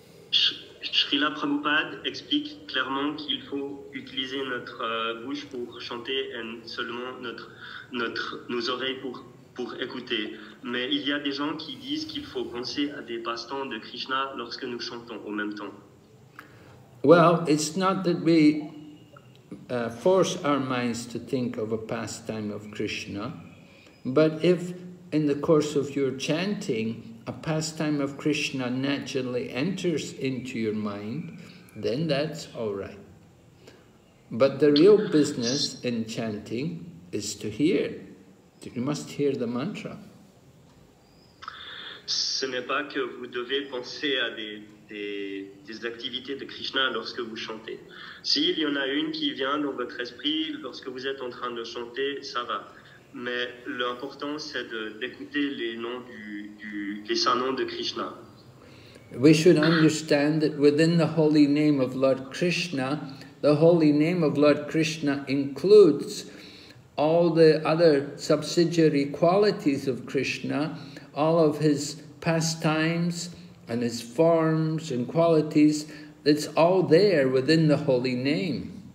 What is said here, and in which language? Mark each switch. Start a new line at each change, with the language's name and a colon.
French: Srila Prabhupada explique clairement qu'il faut utiliser notre bouche pour chanter et seulement nos oreilles pour écouter. Mais il y a des gens qui disent qu'il faut penser à des passe-temps de Krishna lorsque nous chantons en même temps.
English: Well, it's not that we force our minds to think of a pastime of Krishna. But if in the course of your chanting, a pastime of Krishna naturally enters into your mind, then that's all right. But the real business in chanting is to hear. You must hear the mantra.
French: Ce n'est pas que vous devez penser à des activités de Krishna lorsque vous chantez. S'il y en a une qui vient dans votre esprit lorsque vous êtes en train de chanter, ça va. Mais l'important, c'est d'écouter les noms les saints noms de Krishna.
English: We should understand that within the holy name of Lord Krishna, the holy name of Lord Krishna includes all the other subsidiary qualities of Krishna, all of his pastimes and his forms and qualities, it's all there within the holy name.